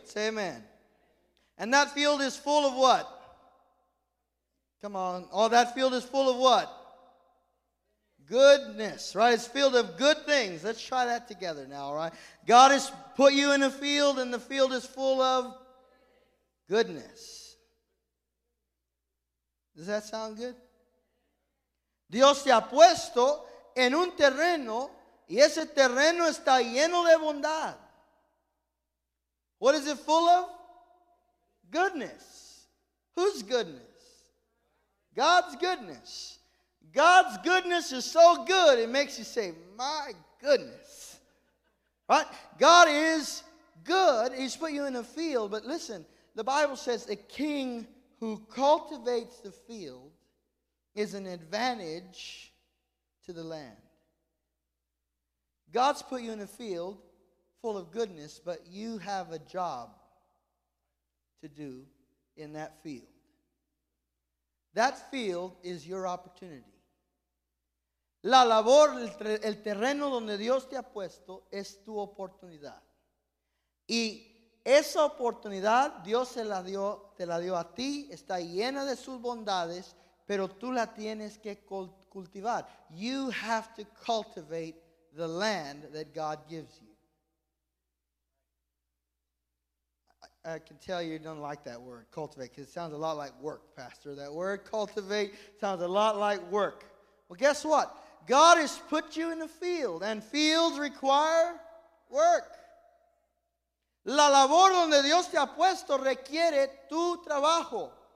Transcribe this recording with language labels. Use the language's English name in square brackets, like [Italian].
[English] Say amen. And that field is full of what? Come on. Oh, that field is full of what? Goodness, right? It's filled of good things. Let's try that together now, all right? God has put you in a field, and the field is full of goodness. Does that sound good? [Spanish] Dios te ha puesto en un terreno, y ese terreno está lleno de bondad. [English] What is it full of? Goodness. Whose goodness? God's goodness. God's goodness is so good, it makes you say, my goodness. Right? God is good. He's put you in a field. But listen, the Bible says a king who cultivates the field is an advantage to the land. God's put you in a field full of goodness, but you have a job to do in that field. That field is your opportunity. [Spanish] La labor, el terreno donde Dios te ha puesto, es tu oportunidad. Y esa oportunidad, Dios te la dio a ti, está llena de sus bondades, pero tú la tienes que cultivar. [English] You have to cultivate the land that God gives you. I can tell you don't like that word, cultivate, because it sounds a lot like work, Pastor. That word, cultivate, sounds a lot like work. Well, guess what? God has put you in a field, and fields require work. [Spanish] La labor donde Dios te ha puesto requiere tu trabajo.